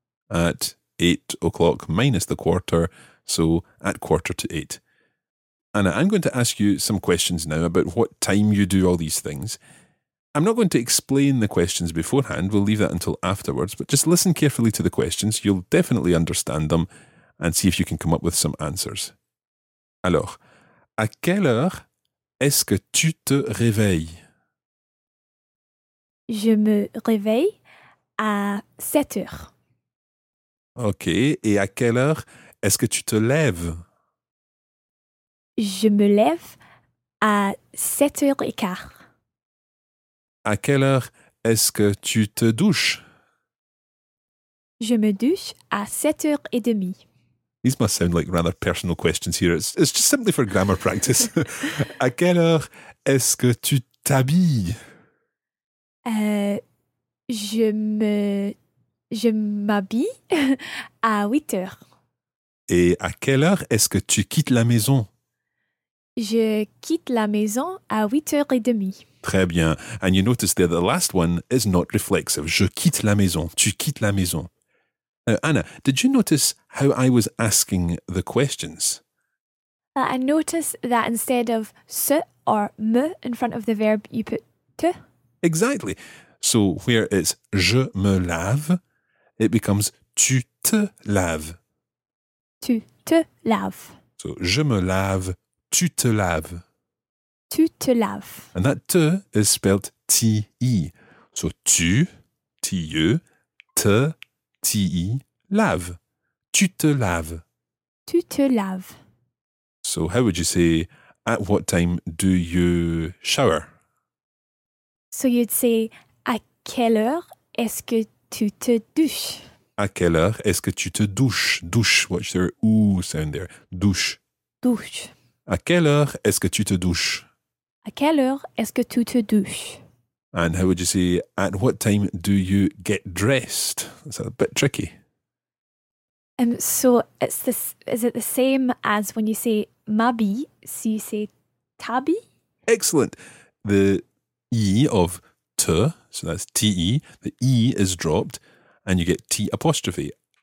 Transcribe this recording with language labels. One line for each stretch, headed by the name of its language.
English: At 8 o'clock minus the quarter, so at 7:45. Anna, I'm going to ask you some questions now about what time you do all these things. I'm not going to explain the questions beforehand, we'll leave that until afterwards, but just listen carefully to the questions, you'll definitely understand them, and see if you can come up with some answers.
French: Alors, à quelle heure est-ce que tu te réveilles? Je me réveille à 7 heures. Ok, et à quelle heure est-ce que tu te lèves? Je me lève à 7 heures et quart. À quelle heure est-ce que tu te douches? Je me douche à 7 heures et demie.
English: These must sound like rather personal questions here. It's just simply for grammar practice.
French: À quelle heure est-ce que tu t'habilles? Je m'habille à 8 heures. Et à quelle heure est-ce que tu quittes la maison? Je quitte la maison à 8 heures et demie. Très bien.
English: And you notice there the last one is not reflexive.
French: Je quitte la maison.
English: Tu quittes la maison. Anna, did you notice how I was asking the questions? I noticed that instead of se or me in front of the verb, you put te. Exactly. So where it's
French: je me lave,
English: it becomes
French: tu te laves. Tu te laves.
English: So
French: je me lave, tu te laves. Tu te laves.
English: And that te is spelled T-E. So tu, T-E, te, T-E, lave.
French: Tu te laves. Tu te laves.
English: So how would you say, at what time do you shower? So you'd say,
French: à quelle heure est-ce que tu te douches? À quelle heure est-ce que tu te douches?
English: Douche, watch their ooh sound there. Douche.
French: Douche. À quelle heure est-ce que tu te douches? À quelle heure est-ce que tu te douches?
English: And how would you say, at what time do you get dressed? That's a bit tricky. So, it's this. Is it the same as when you say m'habille? So you say t'habille? Excellent. The E of te, so that's T-E, the E is dropped, and you get T apostrophe.